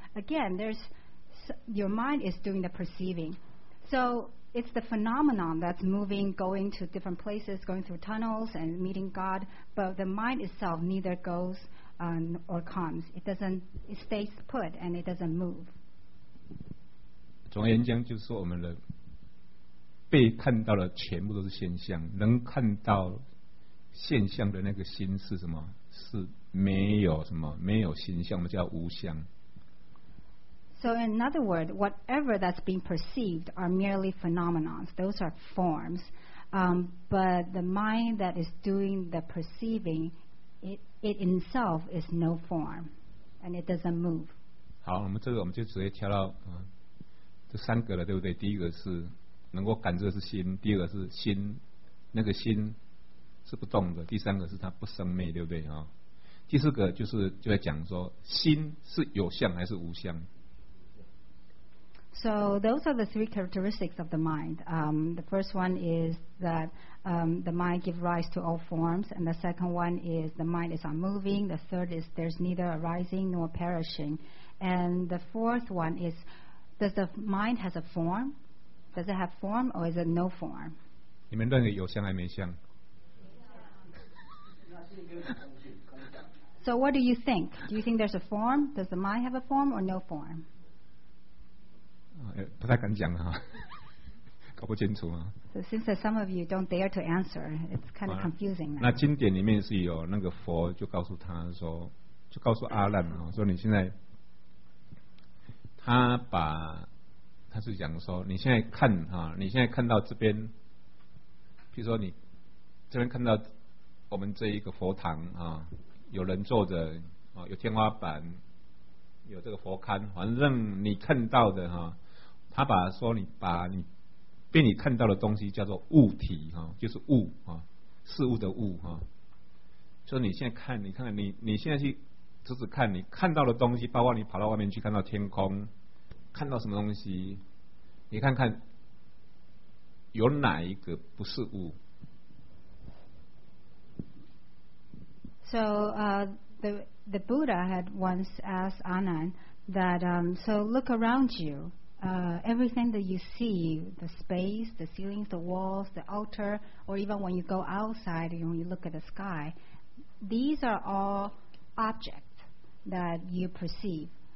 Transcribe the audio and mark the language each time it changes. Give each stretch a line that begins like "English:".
English: Again, there's, your mind is doing the perceiving. So it's the phenomenon that's moving, going to different places, going through tunnels and meeting God, but the mind itself neither goes or comes. It stays put and it doesn't move.
Chinese: 总而言之，就是说我们的被看到的全部都是现象，能看到现象的那个心是什么？是没有什么，没有心相，我们叫无相。
English: So in other words, whatever that's being perceived are merely phenomena. Those are forms. But the mind that is doing the perceiving, it in itself is no form, and it doesn't move.
Chinese: 好，我们这个我们就直接跳到这三个了，对不对？第一个是能够感知的是心，第二个是心，那个心是不动的，第三个是它不生灭，对不对？第四个就是就在讲说心是有相还是无相。
English: So those are the three characteristics of the mind. The first one is that the mind gives rise to all forms, and the second one is the mind is unmoving. The third is there's neither arising nor perishing, and the fourth one is does the mind has a form? Does it have form or is it no form?
Chinese: 你们认为有相还没相？
English: So what do you think? Do you think there's a form? Does the mind have a form or no form?
Chinese: 不太敢讲了，搞不清楚啊。
English: So since that some of you don't dare to answer, it's kind of confusing.
Chinese: 那经典里面是有那个佛就告诉他说，就告诉阿难啊，说你现在，他是讲说你现在看啊，你现在看到这边，譬如说你这边看到我们这一个佛堂啊，有人坐着啊，有天花板。有这个佛龛，反正你看到的哈，他把说你把你被你看到的东西叫做物体哈，就是物啊，事物的物哈。就你现在看，你看看你现在去仔细看，你看到的东西，包括你跑到外面去看到天空，看到什么东西，你看看有哪一个不是物。
English: So the Buddha had once asked Anan that, so look around you. Everything that you see, the space, the ceilings, the walls, the altar, or even when you go outside and you look at the sky, these are all objects that you perceive.